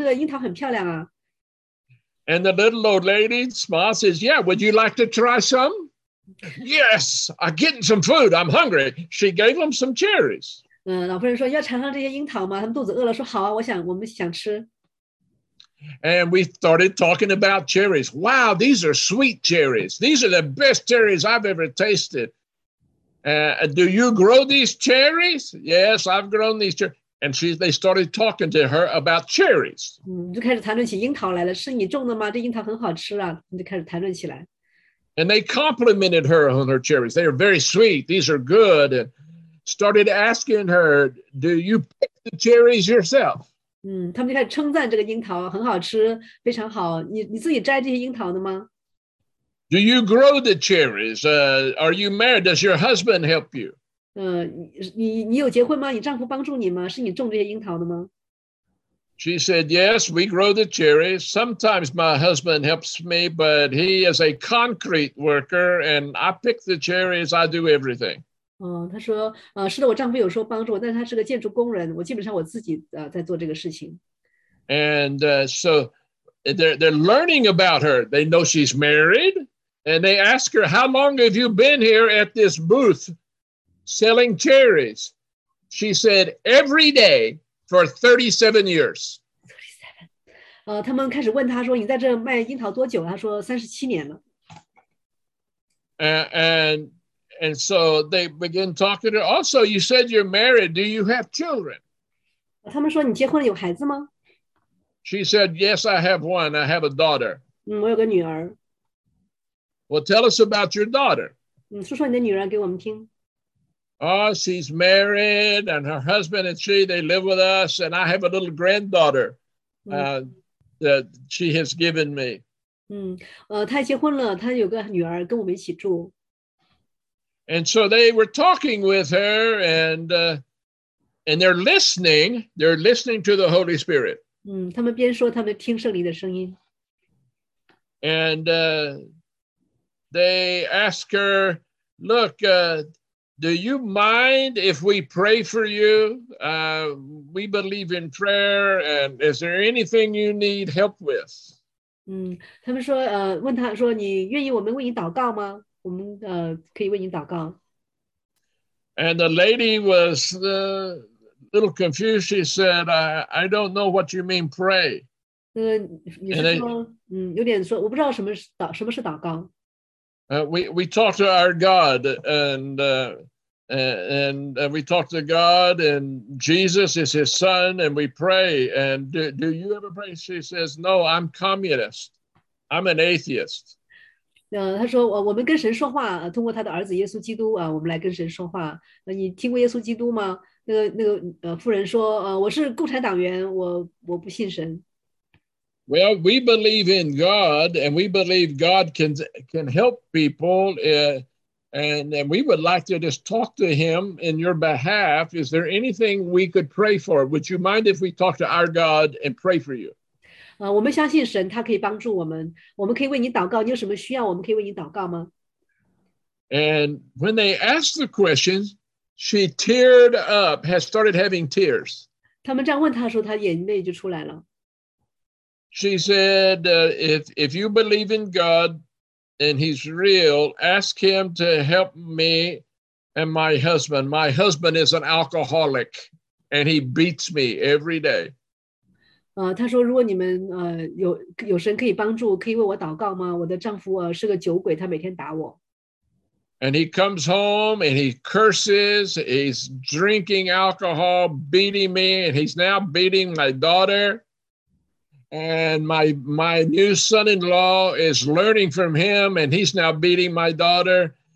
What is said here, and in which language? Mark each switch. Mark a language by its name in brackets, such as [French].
[Chinese] 我们就跟她去寒暄，说那个樱桃很漂亮啊。 [English] And the little old lady smiles, says, yeah, would you like to try some? Yes, I'm getting some food. I'm hungry. She gave them some cherries. [Chinese] 老婆人说，要尝尝这些樱桃吗？他们肚子饿了，说好啊，我想，我们想吃。 [English] And we started talking about cherries. Wow, these are sweet cherries. These are the best cherries I've ever tasted. Do you grow these cherries? Yes, I've grown these cherries. And they started talking to her about cherries. [Chinese] 就开始谈论起樱桃来了，是你种的吗？这樱桃很好吃啊，就开始谈论起来。 [English] And they complimented her on her cherries. They are very sweet. These are good. And started asking her, do you pick the the cherries yourself. [Chinese] 嗯，他们就开始称赞这个樱桃很好吃，非常好。你自己摘这些樱桃的吗？ [English] Do you grow the cherries? Are you married? Does your husband help you? [Chinese] 你有结婚吗？你丈夫帮助你吗？是你种这些樱桃的吗？ [English] She said, yes, we grow the cherries. Sometimes my husband helps me, but he is a concrete worker, and I pick the cherries, I do everything. [Chinese] 他说是的，我丈夫有时候帮助我，但他是个建筑工人，我基本上我自己在做这个事情。 [English] And so they're learning about her. They know she's married, and they ask her, how long have you been here at this booth selling cherries? She said, every day for 37 years. 37. [Chinese] 他们开始问他说，你在这卖樱桃多久？他说37年了。 [English] And so they begin talking to her. Also, you said you're married. Do you have children? [Chinese] 他们说你结婚了有孩子吗？ [English] She said, yes, I have one. I have a daughter. [Chinese] 我有个女儿。 [English] Well, tell us about your daughter. [Chinese] 说说你的女儿给我们听。 [English] Oh, she's married and her husband and she, they live with us. And I have a little granddaughter that she has given me. [Chinese] 她结婚了，她有个女儿跟我们一起住。 [English] And so they were talking with her and they're listening to the Holy Spirit. [Chinese] 他们边说他们听圣灵的声音。 [English] And they ask her, look, do you mind if we pray for you? We believe in prayer and is there anything you need help with? [Chinese] 他们说问他说你愿意我们为你祷告吗？我们可以为你祷告。 [English] And the lady was a little confused. She said, I don't know what you mean, pray. [Chinese] 有点说我不知道什么是祷告。 [English] We talked to our God and we talked to God and Jesus is his son and we pray. And do you ever pray? She says, no, I'm communist. I'm an atheist. [Chinese] 他说我们跟神说话通过他的儿子耶稣基督我们来跟神说话你听过耶稣基督吗那个妇人说我是共产党员我不信神。 [English] Well, we believe in God and we believe God can help people and we would like to just talk to him in your behalf. Is there anything we could pray for? Would you mind if we talk to our God and pray for you? [Chinese] 我们相信神他可以帮助我们我们可以为你祷告你有什么需要我们可以为你祷告吗 [English] And when they asked the questions, she teared up, has started having tears. [Chinese] 他们这样问他的时候他眼泪就出来了。 [English] She said, if you believe in God and he's real, ask him to help me and my husband. My husband is an alcoholic and he beats me every day. [Chinese] 他说如果你们有神可以帮助可以为我祷告吗我的丈夫是个酒鬼他每天打我。 [English] And he comes home and he curses, he's drinking alcohol, beating me, and he's now beating my daughter. And my new son-in-law is learning from him and he's now beating my daughter.